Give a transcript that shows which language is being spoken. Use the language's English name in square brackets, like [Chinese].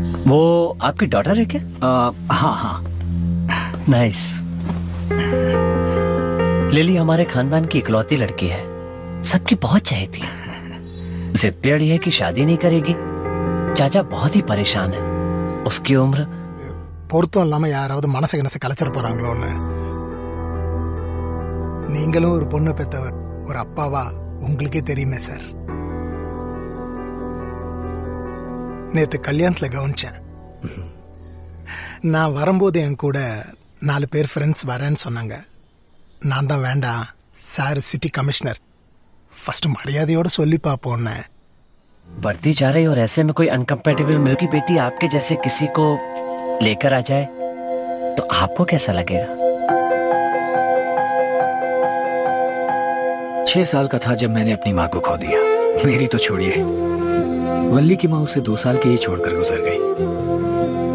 [Hindi] वो आपकी डॉटर है क्या? हाँ हाँ। नाइस। लिली हमारे खानदान की इकलौती लड़की है, सबकी बहुत चहेती है। जिद पे अड़ी है कि शादी नहीं करेगी। चाचा बहुत ही परेशान है, उसकी उम्र [Tamil] பொறுத்தும் இல்லாம யாராவது மனசு கனசு கலச்சிட போறாங்களோன்னு. நீங்களும் ஒரு பொண்ணு பெற்றவர், ஒரு அப்பாவா உங்களுக்கே தெரியுமே சார். நேத்து கல்யாணத்துல கவனிச்சேன், நான் வரும்போது என் கூட 4 பேர் ஃப்ரெண்ட்ஸ் வரேன்னு சொன்னாங்க. நான் தான் வேண்டாம் சார், சிட்டி கமிஷனர் ஃபர்ஸ்ட் மரியாதையோட சொல்லி பார்ப்போம்னு. [Hindi] बढ़ती जा रही और ऐसे में कोई अनकंपेटेबल मिल की बेटी आपके जैसे किसी को लेकर आ जाए तो आपको कैसा लगेगा? 6 साल का था जब मैंने अपनी मां को खो दिया। मेरी तो छोड़िए, वल्ली की मां उसे 2 साल के ही छोड़कर गुजर गई।